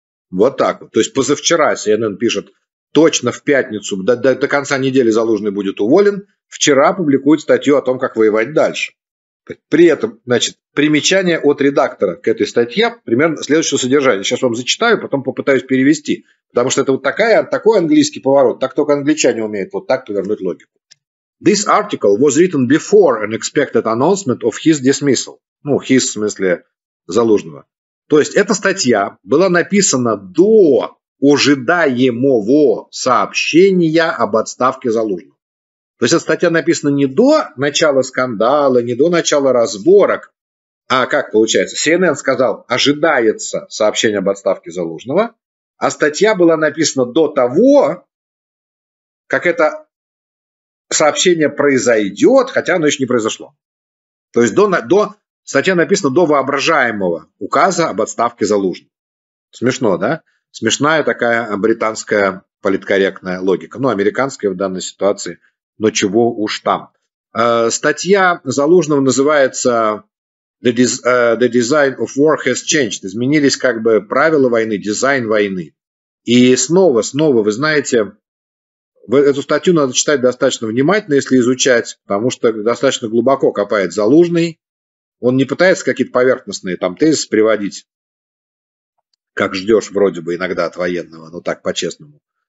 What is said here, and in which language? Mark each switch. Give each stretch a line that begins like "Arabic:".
Russian: Вот так вот. То есть позавчера CNN пишет, точно в пятницу, до конца недели Залужный будет уволен. Вчера публикует статью о том, как воевать дальше. При этом, значит, примечание от редактора к этой статье примерно следующего содержания. Сейчас вам зачитаю, потом попытаюсь перевести. Потому что это вот такой английский поворот. Так только англичане умеют вот так повернуть логику.
English: This article was written before an expected announcement of his dismissal.
Russian: Ну, his в смысле Залужного. То есть эта статья была написана до ожидаемого сообщения об отставке Залужного. То есть эта статья написана не до начала скандала, не до начала разборок, а как получается? CNN сказал, ожидается сообщение об отставке Залужного, а статья была написана до того, как это сообщение произойдет, хотя оно еще не произошло. То есть статья написана до воображаемого указа об отставке Залужного. Смешно, да? Смешная такая британская политкорректная логика. Ну, американская в данной ситуации, но чего уж там. Статья Залужного называется «The design of war has changed». Изменились как бы правила войны, дизайн войны. И снова, вы знаете, эту статью надо читать достаточно внимательно, если изучать, потому что достаточно глубоко копает Залужный. Он не пытается какие-то поверхностные там тезисы приводить, как ждешь вроде бы иногда от военного, но так по-честному.